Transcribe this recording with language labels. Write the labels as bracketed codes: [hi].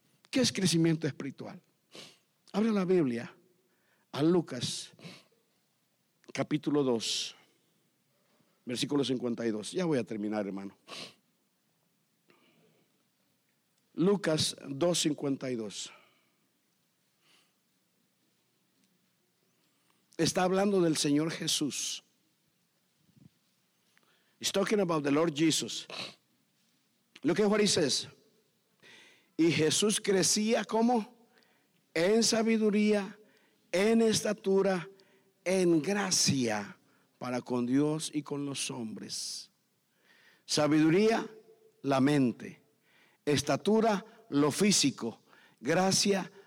[es] ¿Qué es crecimiento espiritual? Abre la Biblia a Lucas capítulo 2, versículo 52. Ya voy a terminar, hermano. Lucas 2:52. Está hablando del Señor Jesús. [en] He's talking about the Lord Jesus. Look at what he says. [es] Y Jesús crecía como en sabiduría, en estatura, en gracia para con Dios y con los hombres. Sabiduría, la mente. Estatura, lo físico. Gracia,